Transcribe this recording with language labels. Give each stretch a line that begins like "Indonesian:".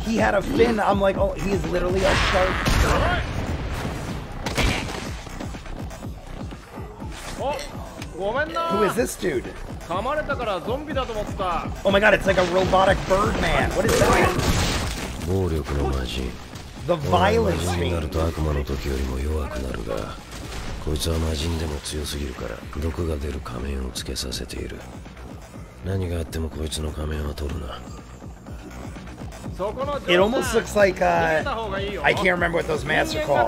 English: He had a fin. I'm like, oh, he is literally a shark. Who is this dude? Oh my god, it's like a robotic bird man. What is that?
Japanese: 暴力の魔人。
English: The violence.
Japanese: 魔人になると悪魔の時よりも弱くなるが、こいつは魔人でも強すぎるから毒が出る仮面をつけさせている。何があってもこいつの仮面は取るな。そこの
English: It almost looks like I can't remember what those masks are called.